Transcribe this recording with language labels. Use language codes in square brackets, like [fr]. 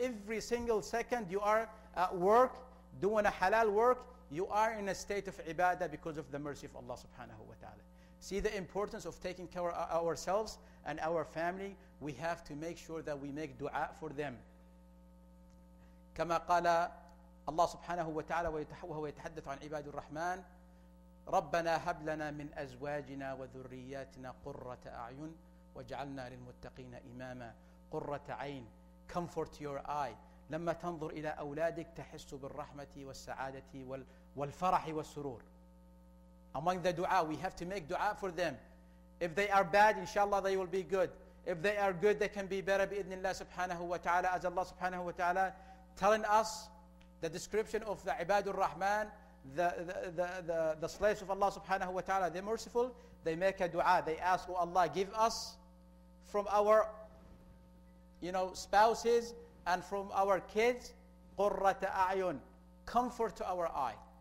[en] Every single second you are at work, doing a halal work, you are in a state of ibadah because of the mercy of Allah subhanahu wa ta'ala. See the importance of taking care of ourselves and our family. We have to make sure that we make dua for them. [ar] كما قال الله سبحانه وتعالى وهو يتحدث عن عباد الرحمن ربنا هب لنا من أزواجنا وذرياتنا قرة أعين وجعلنا للمتقين إماما قرة عين [en] comfort your eye [ar] لما تنظر إلى أولادك تحس بالرحمة والسعادة والفرح والسرور. [en] Among the dua, we have to make dua for them. If they are bad, inshallah they will be good. If they are good, they can be better بإذن الله سبحانه وتعالى. As Allah سبحانه وتعالى telling us the description of the ibadur rahman, the slaves of Allah subhanahu wa ta'ala, they're merciful, they make a dua, they ask, oh Allah, give us from our, you know, spouses and from our kids qurrata ayun, comfort to our eye.